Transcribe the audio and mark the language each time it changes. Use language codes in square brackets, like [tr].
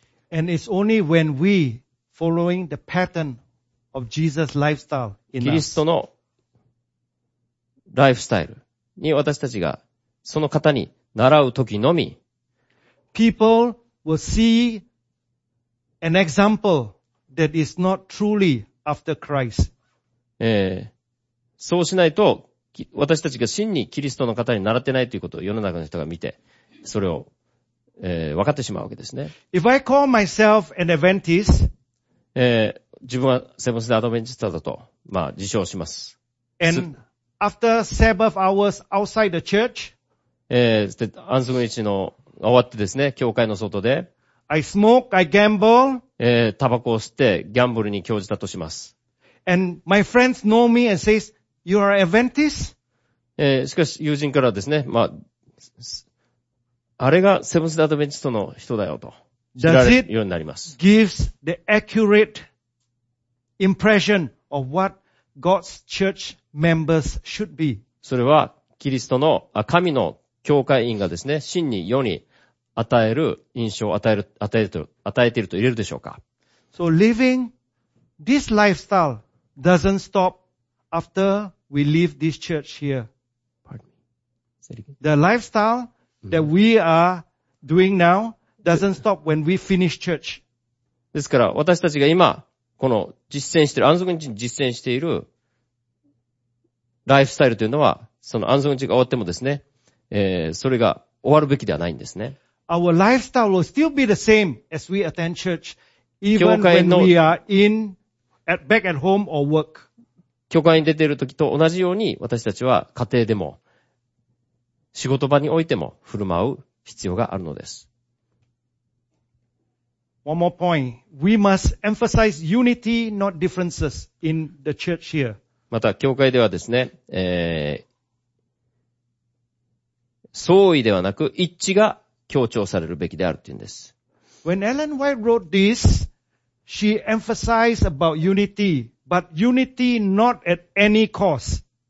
[en] And it's only when we following the pattern of Jesus lifestyle in us. [ja] キリストのライフスタイルに私たちがその方に習うときのみ、 [en] People will see an example that is not truly after Christ. [ja] そうしないと私たちが真にキリストの方に習ってないということを世の中の人が見て、それを、分かってしまうわけですね。 [en] If I call myself an Adventist, [ja] 自分はセブンスでアドベンチストだと、まあ、自称します。 [en] And after Sabbath hours outside the church, [ja] 安息日の終わってですね、教会の外で、 [en] I smoke, I gamble, [ja] タバコを吸ってギャンブルに興じたとします。 [en] And my friends know me and says, you are Adventist? [ja] しかし友人からですね、まあ、あれがセブンス・アドベンチストの人だよと知られるようになります。 [en] Does it gives the accurate impression of what God's church members should be? [ja] それはキリストの、神の教会員がですね、真に世に与える印象を与えていると言えるでしょうか。 [en] So living this lifestyle doesn't stop after we leave this church here. Pardon me. The lifestyle that we are doing now doesn't stop when we finish church. [ja] ですから私たちが今この実践している、安息日に実践しているライフスタイルというのは、その安息日が終わってもですね、それが終わるべきではないんですね。 [en] Our lifestyle will still be the same as we attend church, even when we are in at back at home or work. [ja] 教会に出ている時と同じように私たちは家庭でも仕事場においても振る舞う必要があるのです。 [en] One more point. We must emphasize unity, not differences in the church here. [ja] また、教会ではですね、相違ではなく一致が強調されるべきであるというんです。 [en] When Ellen White wrote this, she emphasized about unity, but unity not at any cost.